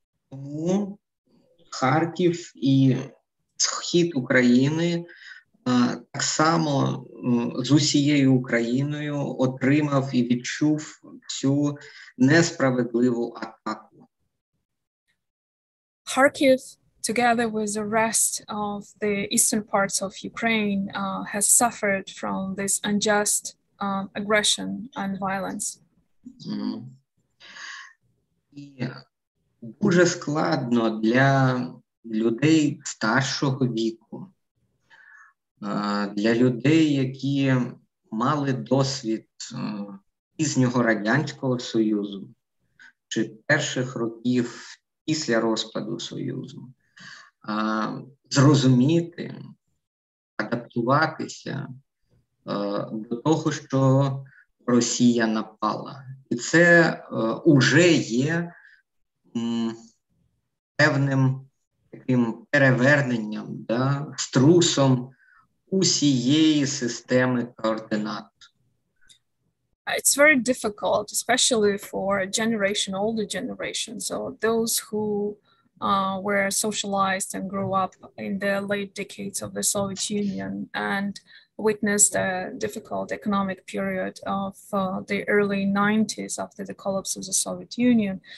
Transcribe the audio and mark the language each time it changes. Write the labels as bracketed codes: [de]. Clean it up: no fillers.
[uk] Тому Харків і схід України так само з усією Україною отримав і відчув цю несправедливу атаку. [en] Kharkiv, together with the rest of the eastern parts of Ukraine, has suffered from this unjust aggression and violence. [uk] Дуже складно для людей старшого віку, для людей, які мали досвід пізнього Радянського Союзу чи перших років після розпаду Союзу, зрозуміти, адаптуватися до того, що Росія напала. І це вже є певним таким переверненням, да, струсом усієї системи координат. [en] It's very difficult, especially for a generation, older generations, so those who were socialized and grew up in the late decades of the Soviet Union and witnessed a difficult economic period of the early 90s after the collapse of the Soviet Union.